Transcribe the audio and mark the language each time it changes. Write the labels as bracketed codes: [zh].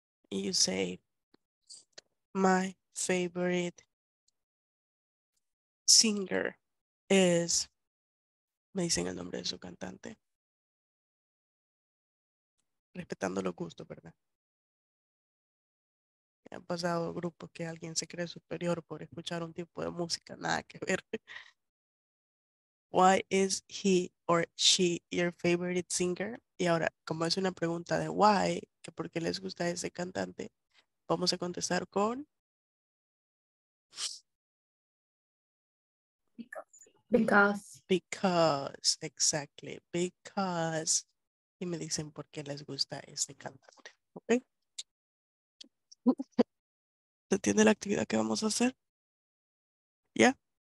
[es] Y [en] you say, my favorite singer is, [es] me dicen el nombre de su cantante. Respetando los gustos, ¿verdad? Me han pasado grupos que alguien se cree superior por escuchar un tipo de música, nada que ver. [en] Why is he or she your favorite singer? [es] Y ahora, como es una pregunta de why, que por qué les gusta ese cantante, vamos a contestar con. [en] Because, exactly, because. [es] Y me dicen por qué les gusta ese cantante, ¿okay? ¿Se entiende la actividad que vamos a hacer? ¿Ya?